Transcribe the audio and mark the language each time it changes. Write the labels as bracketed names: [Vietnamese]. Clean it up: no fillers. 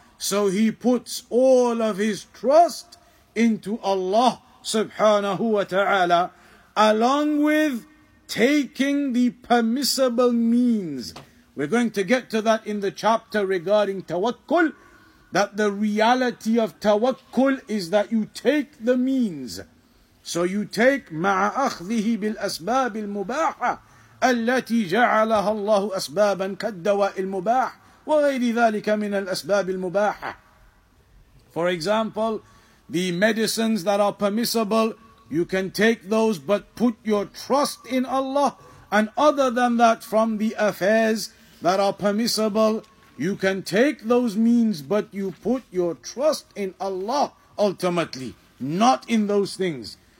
[English] So he puts all of his trust into Allah subhanahu wa ta'ala, along with taking the permissible means. We're going to get to that in the chapter regarding tawakkul, that the reality of tawakkul is that you take the means. So you take [Arabic] مَعَ أَخْذِهِ بِالْأَسْبَابِ الْمُبَاحَةِ التي جعلها الله أسبابا كالدواء المباح وغير ذلك من الأسباب المباحة. [English] For example, the medicines that are permissible, you can take those, but put your trust in Allah. And other than that, from the affairs that are permissible, you can take those means, but you put your trust in Allah ultimately, not in those things.